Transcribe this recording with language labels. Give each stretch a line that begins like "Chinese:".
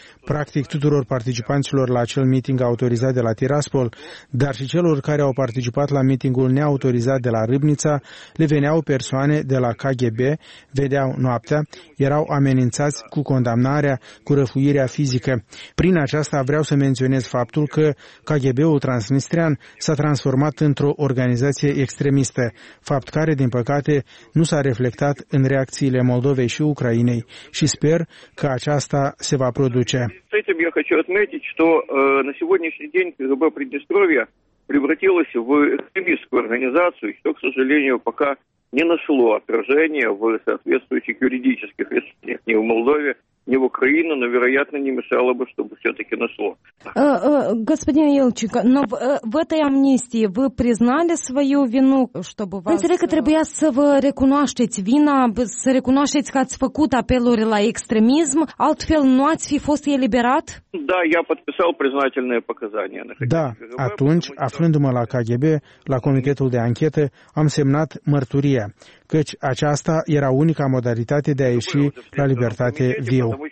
Romanian: Practic tuturor participanților la acel miting autorizat de la Tiraspol, dar și celor care au participat la mitingul neautorizat de la Râbnița, le veneau persoane de la KGB, vedeau noaptea, erau amenințați cu condamnarea, cu răfuirea fizică. Prin aceasta vreau să menționez faptul că KGB-ul transnistrian s-a transformat într-o organizație extremistă, fapt care, din păcate, nu s-a reflectat în reacțiile Moldovei și Ucrainei și sper că aceasta se va produce.
Russian: С этим я хочу отметить, что на сегодняшний день КГБ Приднестровья превратилось в экстремистскую организацию, что, к сожалению, пока не нашло отражения в соответствующих юридических решениях ни в Молдове, ни в Украине, но, вероятно, не мешало бы, чтобы все-таки нашло. Господин Ильчик, но в этой амнистии вы признали свою вину, чтобы вас...
Romanian: Înțeleg că trebuia să vă recunoașteți vina, să recunoașteți că ați făcut apeluri la extremism, altfel nu ați fi fost eliberat?
Russian: Da, я подписал признательные показания.
Romanian: Да, atunci, aflându-mă la KGB, la comitetul de anchetă, am semnat mărturia, căci aceasta era unica modalitate de a ieși la libertate viu.